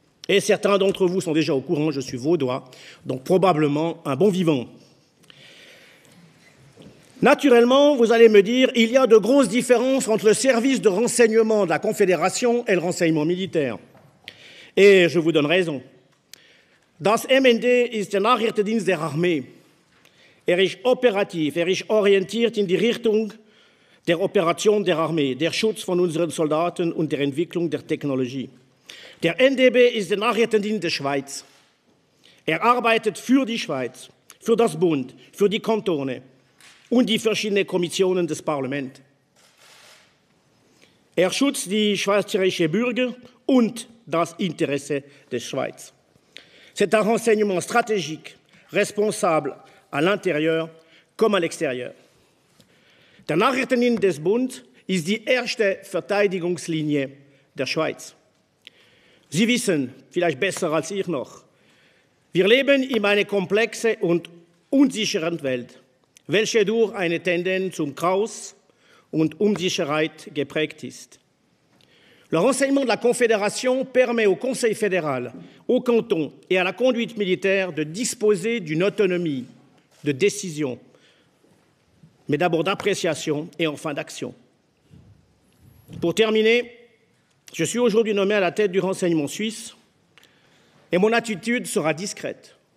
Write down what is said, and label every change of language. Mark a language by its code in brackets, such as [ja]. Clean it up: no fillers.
[fr] Et certains d'entre vous sont déjà au courant, je suis vaudois, donc probablement un bon vivant. Naturellement, vous allez me dire, il y a de grosses différences entre le service de renseignement de la Confédération et le renseignement militaire. Et je vous donne raison. [de] Das MND ist der Nachrichtendienst der Armee. Er ist operativ, er ist orientiert in die Richtung der Operation der Armee, der Schutz von unseren Soldaten und der Entwicklung der Technologie. Der NDB ist der Nachrichtendienst der Schweiz. Er arbeitet für die Schweiz, für das Bund, für die Kantone und die verschiedenen Kommissionen des Parlaments. Er schützt die schweizerische Bürger und das Interesse der Schweiz. [fr] C'est un renseignement stratégique, responsable à l'intérieur comme à l'extérieur. [de] Der Nachrichtendienst des Bund ist die erste Verteidigungslinie der Schweiz. Sie wissen, vielleicht besser als ich noch, wir leben in einer komplexen und unsicheren Welt, welche durch eine Tendenz zum Chaos und Unsicherheit geprägt ist. [fr] Le renseignement de la Confédération permet au Conseil fédéral, au canton et à la conduite militaire de disposer d'une autonomie de décision, mais d'abord d'appréciation et enfin d'action. Pour terminer, je suis aujourd'hui nommé à la tête du renseignement suisse et mon attitude sera discrète.